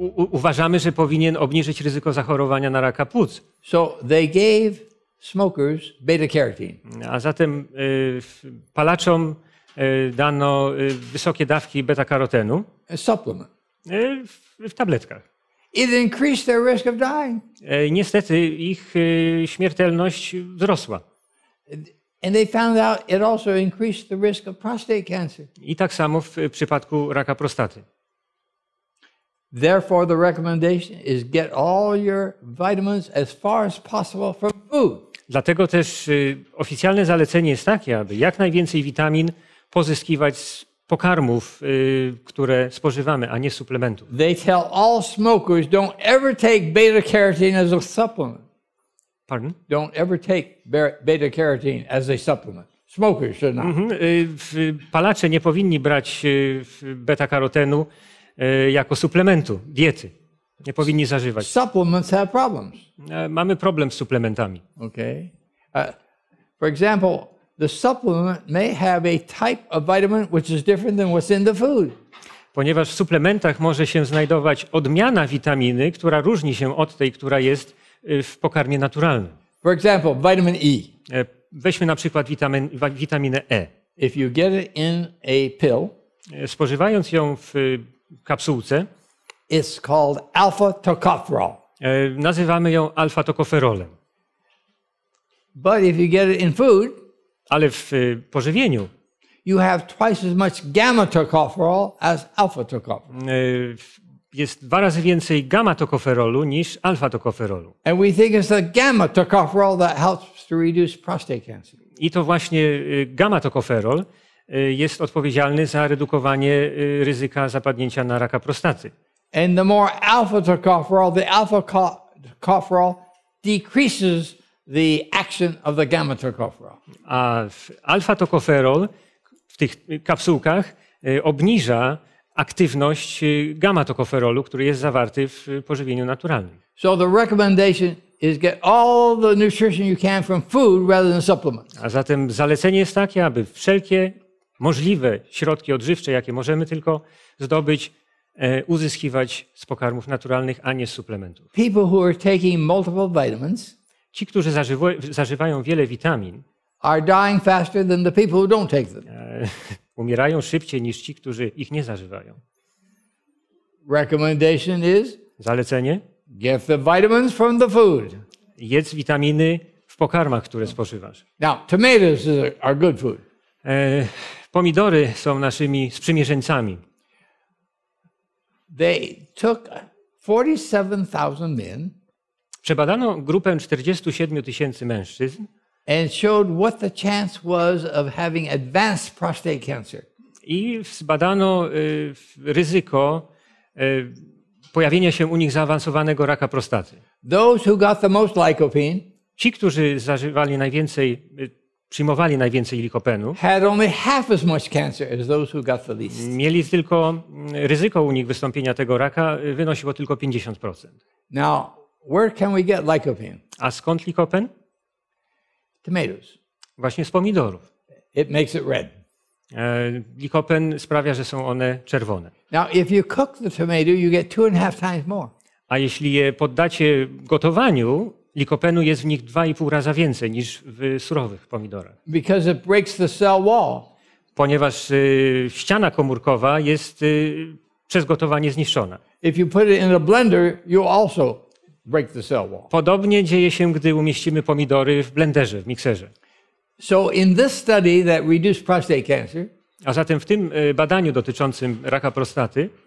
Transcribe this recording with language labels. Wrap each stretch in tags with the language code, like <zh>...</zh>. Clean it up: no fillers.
<pl>Uważamy, że powinien obniżyć ryzyko zachorowania na raka płuc.</pl> <en>So they gave smokers beta-carotene.</en> <pl>A zatem palaczom dano wysokie dawki beta-karotenu.</pl> <en>A supplement.</en> <pl>W tabletkach.</pl> <en>It increased their risk of dying.</en> <pl>Niestety ich śmiertelność wzrosła.</pl> <en>And they found out it also increased the risk of prostate cancer.</en> <pl>I tak samo w przypadku raka prostaty.</pl> <en>Therefore, the recommendation is get all your vitamins as far as possible from food.</en> <pl>Dlatego też oficjalne zalecenie jest takie, aby jak najwięcej witamin pozyskiwać z pokarmów, które spożywamy, a nie suplementów.</pl> <en>They tell all smokers don't ever take beta-carotene as a supplement.</en> <pl>Pardon?</pl> <en>Don't ever take beta-carotene as a supplement. Smokers should not.</en> <pl>Palacze nie powinni brać beta-karotenu jako suplementu diety. Nie powinni zażywać.</pl> <en>Supplements have problems.</en> <pl>Mamy problem z suplementami.</pl> <en>Okay. For example, the supplement may have a type of vitamin which is different than what's in the food.</en> <pl>Ponieważ w suplementach może się znajdować odmiana witaminy, która różni się od tej, która jest w pokarmie naturalnym.</pl> <en>For example, vitamin E.</en> <pl>Weźmy na przykład witaminę E.</pl> <en>If you get it in a pill,</en> <pl>spożywając ją w kapsułce,</pl> <en>it's called alpha tocopherol.</en> <pl>Nazywamy ją alfa tokoferolem.</pl> <en>But if you get it in food,</en> <pl>ale w pożywieniu,</pl> <en>you have twice as much gamma tocopherol as alpha tocopherol.</en> <pl>Jest dwa razy więcej gamma tocopherolu niż alfa tocopherolu.</pl> <en>And we think it's the gamma tocopherol that helps to reduce prostate cancer.</en> <pl>I to właśnie gamma tocopherol jest odpowiedzialny za redukowanie ryzyka zapadnięcia na raka prostaty.</pl> <en>And the more alpha tocopherol, the alpha tocopherol decreases the action of the gamma tocopherol.</en> <pl>A alfa tocopherol w tych kapsułkach obniża aktywność gamma tocopherolu, który jest zawarty w pożywieniu naturalnym.</pl> <en>So the recommendation is get all the nutrition you can from food rather than supplements.</en> <pl>A zatem zalecenie jest takie, aby wszelkie możliwe środki odżywcze, jakie możemy tylko zdobyć, uzyskiwać z pokarmów naturalnych, a nie z suplementów.</pl> <en>People who are taking multiple vitamins,</en> <pl>ci, którzy zażywają wiele witamin,</pl> <en>are dying faster than the people who don't take them.</en> <pl>Umierają szybciej niż ci, którzy ich nie zażywają.</pl> <en>Recommendation is,</en> <pl>zalecenie?</pl> <en>Get the vitamins from the food.</en> <pl>Jedz witaminy w pokarmach, które spożywasz.</pl> <en>Now, tomatoes are good food.</en> <pl>Pomidory są naszymi sprzymierzeńcami.</pl> <en>They took 47,000 men.</en> <pl>Przebadano grupę 47 tysięcy mężczyzn.</pl> <en>And showed what the chance was of having advanced prostate cancer.</en> <pl>I zbadano ryzyko pojawienia się u nich zaawansowanego raka prostaty.</pl> <en>Those who got the most lycopene.</en> <pl>Ci, którzy zażywali najwięcej, przyjmowali najwięcej likopenu,</pl> <en>had only half as much cancer as those who got the least.</en> <pl>Mieli tylko ryzyko u nich wystąpienia tego raka wynosiło tylko 50%.</pl> <en>Now, where can we get lycopene?</en> <pl>A skąd likopen?</pl> <en>Tomatoes.</en> <pl>Właśnie z pomidorów.</pl> <en>It makes it red.</en> <pl>Likopen sprawia, że są one czerwone.</pl> <en>Now, if you cook the tomato, you get 2.5 times more.</en> <pl>A jeśli je poddacie gotowaniu, likopenu jest w nich 2.5 razy więcej niż w surowych pomidorach.</pl> <en>Because it breaks the cell wall.</en> <pl>Ponieważ ściana komórkowa jest przez gotowanie zniszczona.</pl> <en>If you put it in a blender, you also break the cell wall.</en> <pl>Podobnie dzieje się, gdy umieścimy pomidory w blenderze, w mikserze.</pl> <en>So in this study that reduced prostate cancer.</en> <pl>A zatem w tym badaniu dotyczącym raka prostaty.</pl>